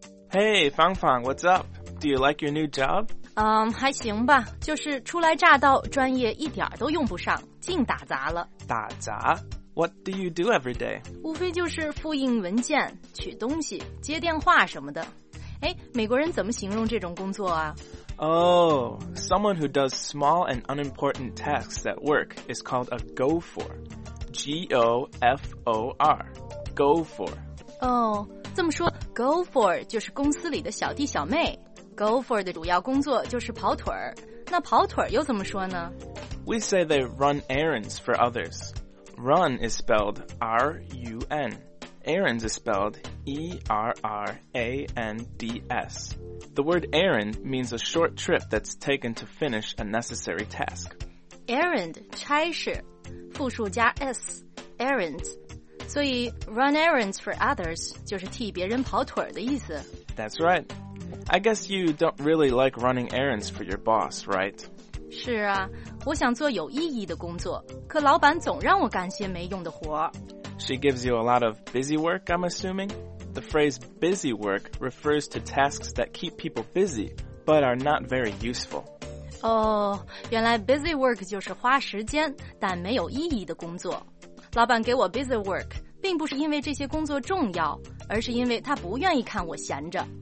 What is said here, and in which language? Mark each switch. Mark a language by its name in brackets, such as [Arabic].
[English] Hey， 芳芳 ，What's up？ Do you like your new job? [Chinese] 还行吧，就是初来乍到，专业一点都用不上，净打杂了。 [English] 打杂？What do you do every day? [Chinese] 无非就是复印文件、取东西、接电话什么的。哎，美国人怎么形容这种工作啊？ [English] Someone who does small and unimportant tasks at work is called a gopher. G-O-F-O-R. Gopher. [Chinese] 这么说 ,gopher 就是公司里的小弟小妹。 Gopher 的主要工作就是跑腿儿。那跑腿儿又怎么说呢 [English] ？We say they run errands for others. Run is spelled R-U-N. Errands is spelled E-R-R-A-N-D-S. The word errand means a short trip that's taken to finish a necessary task. [Chinese] Errand 差事，复数加 s, errands. 所以 [English] run errands for others [Chinese] 就是替别人跑腿儿的意思。 [English] That's right. I guess you don't really like running errands for your boss, right? [Chinese] 是啊，我想做有意义的工作，可老板总让我干些没用的活。 [English] She gives you a lot of busy work, I'm assuming? The phrase busy work refers to tasks that keep people busy, but are not very useful. [Chinese] 原来 busy work 就是花时间，但没有意义的工作。老板给我 busy work, 并不是因为这些工作重要，而是因为他不愿意看我闲着。